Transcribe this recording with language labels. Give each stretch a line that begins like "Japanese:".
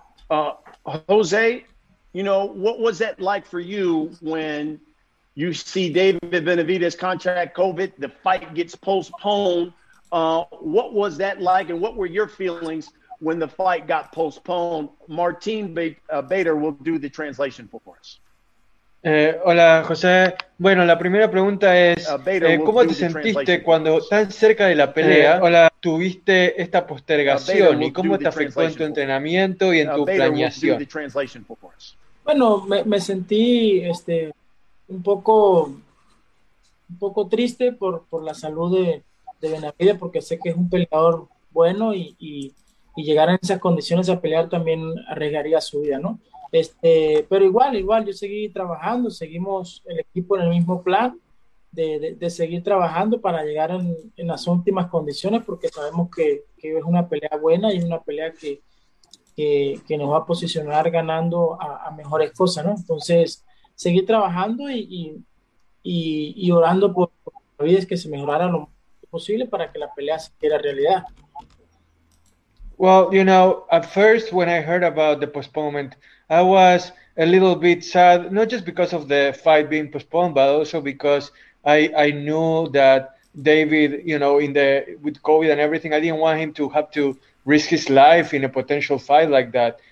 English: Jose, you know, what was that like for you when you see David Benavidez contract COVID, the fight gets postponed? What was that like and what were your feelings when the fight got postponed? Martin Bader will do the translation for us.
Spanish: Hola, José. Bueno, la primera pregunta es, ¿cómo te sentiste cuando tan cerca de la pelea tuviste esta postergación y cómo te afectó en tu entrenamiento y en tu planeación? Bueno, me sentí un poco triste por la salud de Benavidez, porque sé que es un peleador bueno y llegar en esas condiciones a pelear también arriesgaría su vida, ¿no? Pero igual, yo seguí trabajando, seguimos el equipo en el mismo plan de seguir trabajando para llegar en las últimas condiciones, porque sabemos que es una pelea buena y es una pelea que nos va a posicionar ganando a mejores cosas, ¿no? Entonces, seguir trabajando y orando por la vida, es que se mejorara lo más posible para que la pelea se quiera realidad.
English: Well, you know, at first when I heard about the postponement, I was a little bit sad, not just because of the fight being postponed, but also because I knew that David, you know, with COVID and everything, I didn't want him to have to risk his life in a potential fight like that.